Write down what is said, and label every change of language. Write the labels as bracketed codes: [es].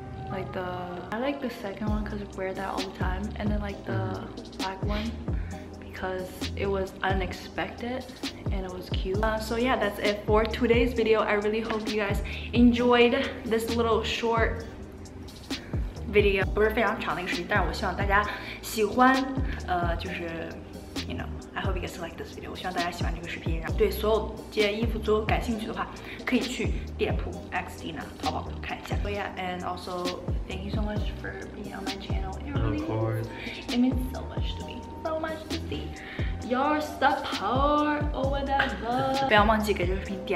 [en] Like the, I like the second one because I wear that all the time. And then like the black one because it was unexpected and it was cute. So yeah, that's it for today's video. I really hope you guys enjoyed this little short video. [zh] 不是非常长的一个视频，但是我希望大家喜欢，就是。 [en] You know, I hope you guys like this video. [zh] 我希望大家喜欢这个视频。然后对所有这件衣服都感兴趣的话，可以去店铺 XDina 淘宝看一下。 [en] So yeah, and also thank you so much for being on my channel. Of course, it means so much to me, so much to see your support over the world.